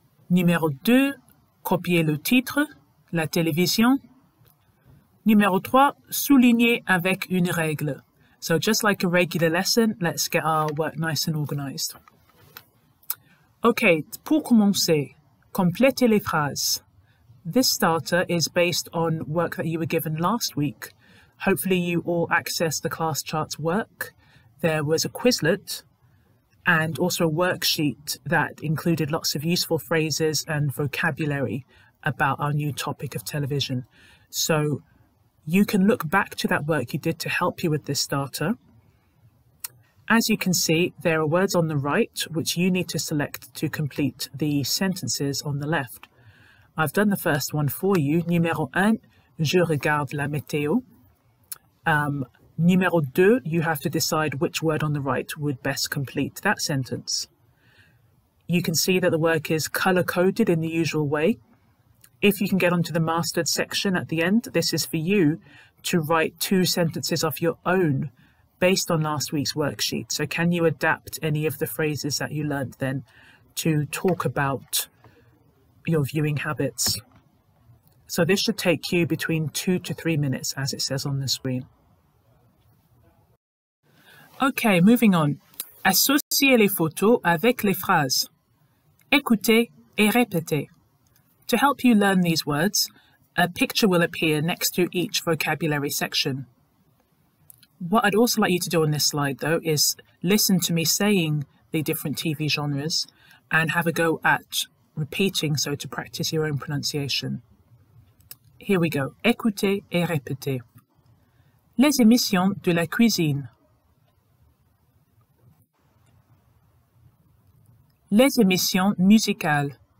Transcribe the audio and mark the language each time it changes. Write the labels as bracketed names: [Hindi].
[French] Numéro 2, copiez le titre, la télévision. Numéro 3, soulignez avec une règle. [English] So just like a regular lesson, let's get our work nice and organized. [French] OK, pour commencer, complétez les phrases. [English] This starter is based on work that you were given last week. Hopefully you all accessed the class chart's work. There was a Quizlet and also a worksheet that included lots of useful phrases and vocabulary about our new topic of television. So you can look back to that work you did to help you with this starter. As you can see, there are words on the right which you need to select to complete the sentences on the left. I've done the first one for you. [French] Numéro 1, je regarde la météo. [English] Numéro 2, you have to decide which word on the right would best complete that sentence. You can see that the work is color-coded in the usual way. If you can get onto the mastered section at the end, this is for you to write two sentences of your own based on last week's worksheet. So can you adapt any of the phrases that you learned then to talk about your viewing habits? So this should take you between 2 to 3 minutes, as it says on the screen. Okay, moving on. [French] Associez les photos avec les phrases. Écoutez et répétez. [English] To help you learn these words, a picture will appear next to each vocabulary section. What I'd also like you to do on this slide, though, is listen to me saying the different TV genres and have a go at repeating, so to practice your own pronunciation. Here we go. [French] Écoutez et répétez. Les émissions de la cuisine. Les émissions musicales.